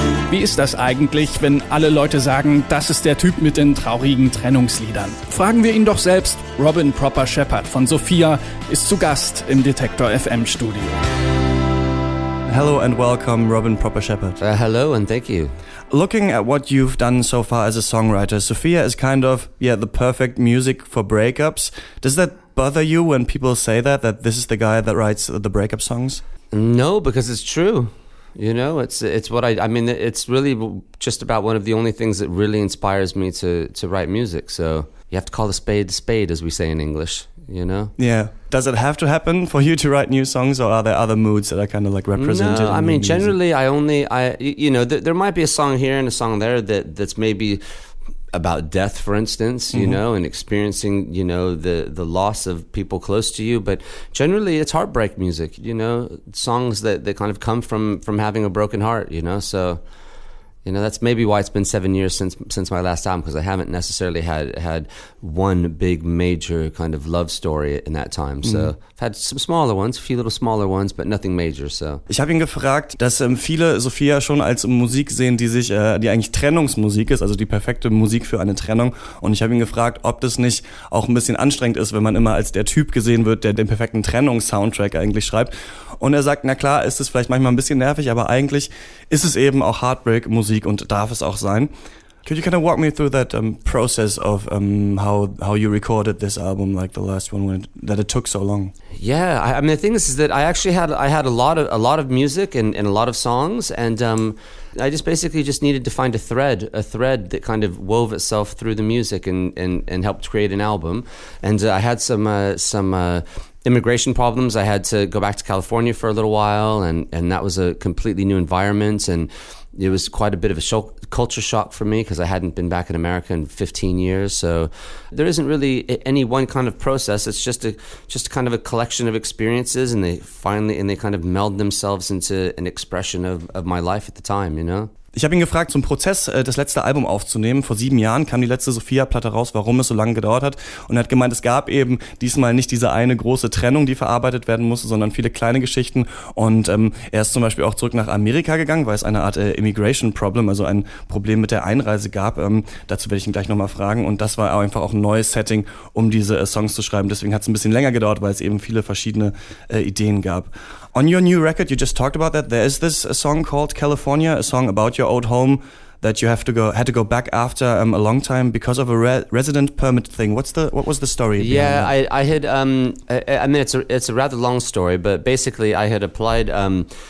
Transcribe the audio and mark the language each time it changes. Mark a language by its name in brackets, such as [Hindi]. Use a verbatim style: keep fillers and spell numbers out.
[German] Wie ist das eigentlich, wenn alle Leute sagen, das ist der Typ mit den traurigen Trennungsliedern? Fragen wir ihn doch selbst. Robin Proper Shepherd von Sophia ist zu Gast im Detektor F M Studio. [English] Hello and welcome, Robin Proper Shepherd. Uh, hello and thank you. Looking at what you've done so far as a songwriter, Sophia is kind of, yeah, the perfect music for breakups. Does that bother you when people say that, that this is the guy that writes the breakup songs? No, because it's true. You know, it's it's what I, I mean, it's really just about one of the only things that really inspires me to, to write music. So you have to call a spade a spade, as we say in English, you know? Yeah. Does it have to happen for you to write new songs, or are there other moods that are kind of like represented? No, I mean, generally, I only, I you know, th- there might be a song here and a song there that that's maybe about death, for instance, you mm-hmm. know, and experiencing, you know, the, the loss of people close to you. But generally, it's heartbreak music, you know, songs that, that kind of come from, from having a broken heart, you know. So, you know, that's maybe why it's been seven years since since my last album, because I haven't necessarily had, had one big major kind of love story in that time. So mm-hmm. I've had some smaller ones, a few little smaller ones, but nothing major. So [German] ich habe ihn gefragt, dass ähm, viele Sophia schon als Musik sehen, die sich, äh, die eigentlich Trennungsmusik ist, also die perfekte Musik für eine Trennung. Und ich habe ihn gefragt, ob das nicht auch ein bisschen anstrengend ist, wenn man immer als der Typ gesehen wird, der den perfekten Trennungssoundtrack eigentlich schreibt. Und er sagt, na klar, ist es vielleicht manchmal ein bisschen nervig, aber eigentlich ist es eben auch Heartbreak-Musik. Und darf es auch sein. [English] Could you kind of walk me through that um, process of um, how how you recorded this album, like the last one, when it, that it took so long? Yeah, I, I mean the thing is, is that I actually had I had a lot of a lot of music and, and a lot of songs, and um, I just basically just needed to find a thread, a thread that kind of wove itself through the music and and, and helped create an album. And uh, I had some uh, some. Uh, immigration problems. I had to go back to California for a little while, and, and that was a completely new environment, and it was quite a bit of a show, culture shock for me, because I hadn't been back in America in fifteen years. So there isn't really any one kind of process. It's just a just kind of a collection of experiences, and they finally and they kind of meld themselves into an expression of, of my life at the time, you know? [German] Ich habe ihn gefragt, zum Prozess, das letzte Album aufzunehmen. Vor sieben Jahren kam die letzte Sophia-Platte raus, warum es so lange gedauert hat. Und er hat gemeint, es gab eben diesmal nicht diese eine große Trennung, die verarbeitet werden musste, sondern viele kleine Geschichten. Und ähm, er ist zum Beispiel auch zurück nach Amerika gegangen, weil es eine Art äh, Immigration-Problem, also ein Problem mit der Einreise gab. Ähm, dazu werde ich ihn gleich nochmal fragen. Und das war einfach auch ein neues Setting, um diese äh, Songs zu schreiben. Deswegen hat es ein bisschen länger gedauert, weil es eben viele verschiedene äh, Ideen gab. [English] On your new record, you just talked about that. There is this a song called California, a song about your old home that you have to go had to go back after um, a long time because of a re- resident permit thing. What's the what was the story? Yeah, I, I had um I, I mean it's a it's a rather long story, but basically I had applied um.